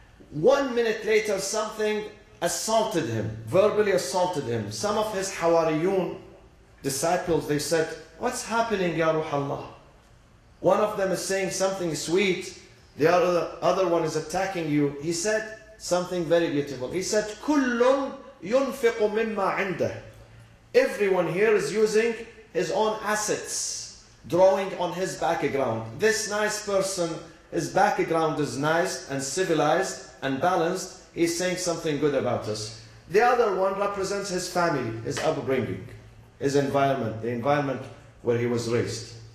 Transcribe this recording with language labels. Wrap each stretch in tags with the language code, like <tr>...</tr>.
<en>1 minute later, something assaulted him, verbally assaulted him. Some of his hawariyun, disciples, they said, what's happening, Ya Ruhallah? One of them is saying something sweet, the other one is attacking you. He said something very beautiful. He said,</en> <ar>كُلٌّ يُنْفِقُ مِمَّا عِنْدَهِ.</ar> <en>Everyone here is using his own assets, drawing on his background. This nice person, his background is nice and civilized and balanced. He's saying something good about us. The other one represents his family, his upbringing, his environment, the environment where he was raised.</en>